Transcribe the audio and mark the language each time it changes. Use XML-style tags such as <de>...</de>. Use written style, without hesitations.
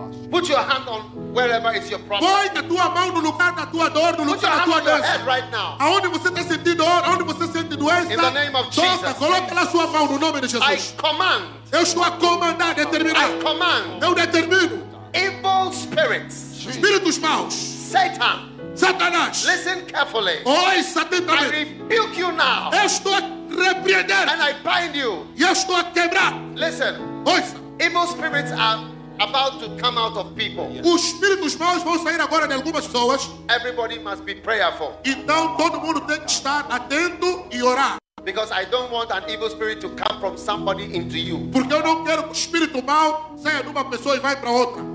<en>Put your hand on wherever is your problem.</en> <pt>Põe a tua mão no lugar da tua dor, no lugar da tua doença.</pt> <en>Right now.</en> <pt>Aonde você está sentindo dor, aonde você sente doença.</pt> <en>In the name of Jesus.</en> <pt>Toca, coloca na sua mão no nome de Jesus.</pt> <en>I command.</en> <pt>Eu estou a comandar, determinar.</pt> <en>I command.</en> <pt>Eu determino.</pt> <en>Evil spirits.</en> <pt>Espíritos maus.</pt> <en>Satan.</en> <pt>Satanás.</pt> <en>Listen carefully.</en> <pt>Oi, Satanás.</pt> <en>I rebuke you now.</en> <pt>Eu estou a repreender.</pt> <en>And I bind you.</en> <pt>E eu estou a quebrar.</pt> <en>Listen.</en> <pt>Oi.</pt> <en>Evil spirits are about to come out of people.</en> <pt>Os espíritos maus vão sair agora de algumas pessoas.</pt> <en>Everybody must be prayerful.</en> <pt>Então todo mundo tem que estar atento e orar.</pt> <en>Because I don't want an evil spirit to come from somebody into you.</en> <pt>Porque eu não quero que o espírito mau saia de uma pessoa e vá para outra.</pt>